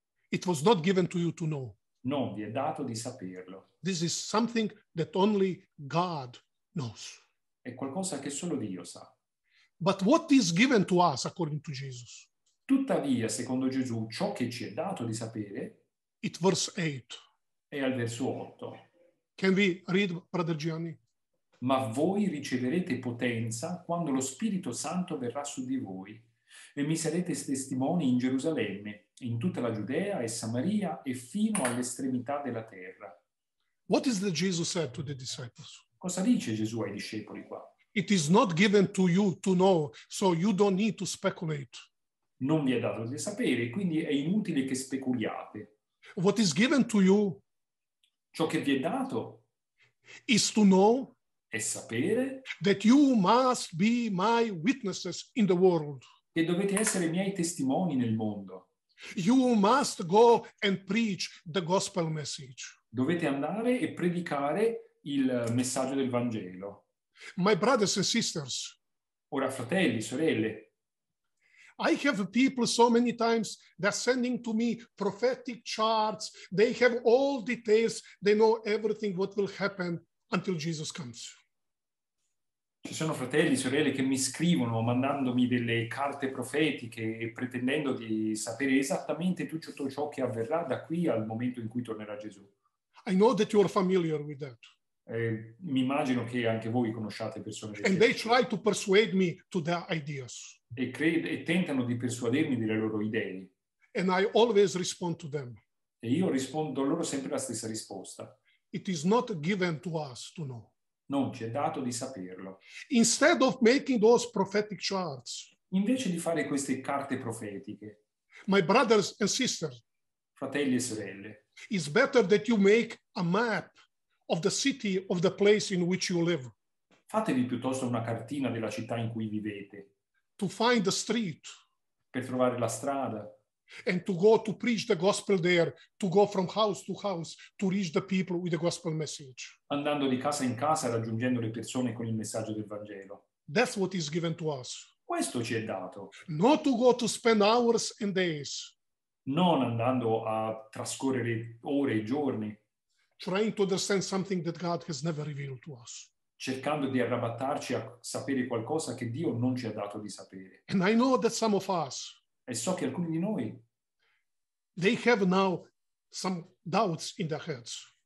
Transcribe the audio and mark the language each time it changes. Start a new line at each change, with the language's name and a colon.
English: It was not given to you to know.
Italian: Non vi è dato di saperlo.
English: This is something that only God knows.
Italian: È qualcosa che solo Dio sa.
English: But what is given to us according to Jesus?
Italian: Tuttavia, secondo Gesù, ciò che ci è dato di sapere è al verso 8.
English: Can we read, Brother Gianni?
Italian: Ma voi riceverete potenza quando lo Spirito Santo verrà su di voi e mi sarete testimoni in Gerusalemme, in tutta la Giudea e Samaria e fino all'estremità della terra.
English: What is that Jesus said to the disciples?
Italian: Cosa dice Gesù ai discepoli qua?
English: It is not given to you to know, so you don't need to speculate.
Italian: Non vi è dato di sapere, quindi è inutile che speculiate.
English: What is given to you?
Italian: Ciò che vi è dato
English: is to know,
Italian: è sapere,
English: that you must be my witnesses in the world.
Italian: Che dovete essere miei testimoni nel mondo.
English: You must go and preach the gospel message.
Italian: Dovete andare e predicare il messaggio del Vangelo.
English: My brothers and sisters.
Italian: Ora fratelli, sorelle.
English: I have people so many times that are sending to me prophetic charts. They have all details. They know everything what will happen until Jesus comes.
Italian: Ci sono fratelli, sorelle che mi scrivono mandandomi delle carte profetiche e pretendendo di sapere esattamente tutto ciò che avverrà da qui al momento in cui tornerà Gesù.
English: I know that you are familiar with that.
Italian: Mi immagino che anche voi conosciate persone.
English: And they try to persuade me to their ideas.
Italian: E tentano di persuadermi delle loro idee.
English: And I always respond to them.
Italian: E io rispondo loro sempre la stessa risposta.
English: It is not given to us to know.
Italian: Non ci è dato di saperlo.
English: Instead of making those prophetic charts,
Italian: invece di fare queste carte profetiche,
English: my brothers and sisters,
Italian: fratelli e sorelle,
English: it's better that you make a map of the city, of the place in which you live.
Italian: Fatevi piuttosto una cartina della città in cui vivete.
English: To find the street.
Italian: Per trovare la strada.
English: And to go to preach the gospel there, to go from house to reach the people with the gospel message.
Italian: Andando di casa in casa, raggiungendo le persone con il messaggio del Vangelo.
English: That's what is given to us.
Italian: Questo ci è dato.
English: Not to go to spend hours and days.
Italian: Non andando a trascorrere ore e giorni.
English: Trying to understand something that God has never revealed to us.
Italian: Cercando di arrabattarci a sapere qualcosa che Dio non ci ha dato di sapere.
English: And I know that some of us.
Italian: E so che alcuni di noi.
English: They have now some doubts in their heads.